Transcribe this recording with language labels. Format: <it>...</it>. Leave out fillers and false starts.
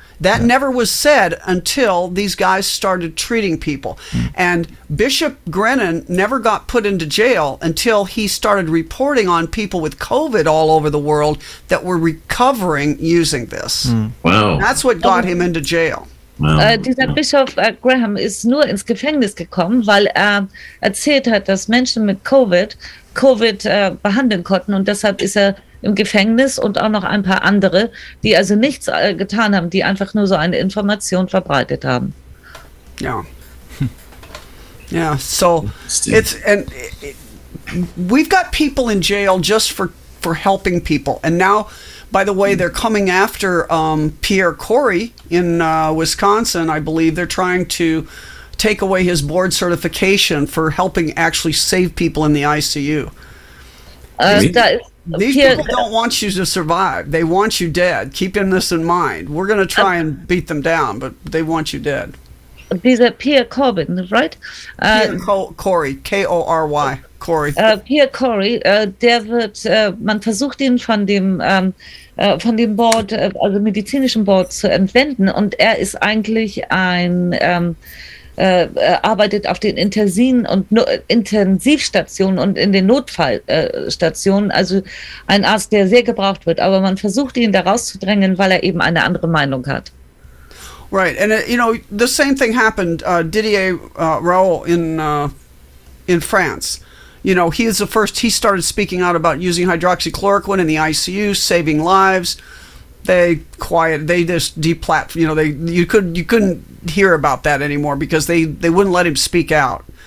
<en>That never was said until these guys started treating people. And Bishop Grennan never got put into jail until he started reporting on people with COVID all over the world that were recovering using this. Wow. That's what got him into jail. Wow.</en> <de>Dieser Bischof Graham ist nur ins Gefängnis gekommen, weil er erzählt hat, dass Menschen mit COVID behandeln konnten. Und deshalb ist er im Gefängnis und auch noch ein paar andere, die also nichts getan haben, die einfach nur so eine Information verbreitet haben. Ja. Ja,</de> <en>so, it's, and we've got people in jail just for helping people. And now, by the way, they're coming after Pierre Corey in Wisconsin, I believe. They're trying to take away his board certification for helping actually save people in the ICU. These people don't want you to survive. They want you dead. Keeping this in mind. We're going to try and beat them down, but they want you dead. These are Pierre Corbyn, right? Corey, K-O-R-Y, Corey.</en> <de>Pierre Corey, der wird, man versucht ihn von dem Board, also medizinischen Board zu entwenden, und er ist eigentlich ein, arbeitet auf den Intensivstationen und in den Notfallstationen, also ein Arzt, der sehr gebraucht wird, aber man versucht ihn da rauszudrängen, weil er eben eine andere Meinung hat.</de> <en>Right, and you know, the same thing happened, Didier Raoul in France. You know, he is the first, he started speaking out about using hydroxychloroquine in the ICU, saving lives. They just deplatformed, you know, you couldn't hear about that anymore because they wouldn't let him speak out.</en>